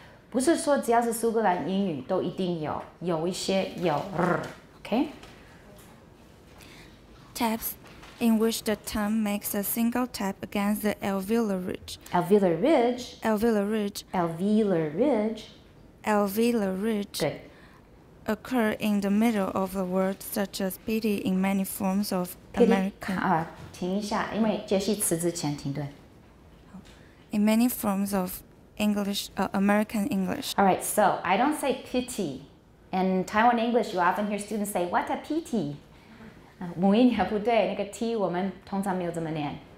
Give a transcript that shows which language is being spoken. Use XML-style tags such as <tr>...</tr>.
<zh>不是说只要是苏格兰英语都一定有，有一些有。</zh> <en>Okay? Taps in which the tongue makes a single tap against the alveolar ridge. Alveolar ridge. Alveolar ridge. Alveolar ridge. Alveolar ridge. Good. Occur in the middle of the word, such as pity in many forms of American.</en> <zh>停一下，因为接续词之前停顿.</zh> <en>In many forms of English, American English. All right, so I don't say pity. In Taiwan English, you often hear students say, "What a pity!"</en> <zh>母音也不对，那个 T 我们通常没有这么念.</zh>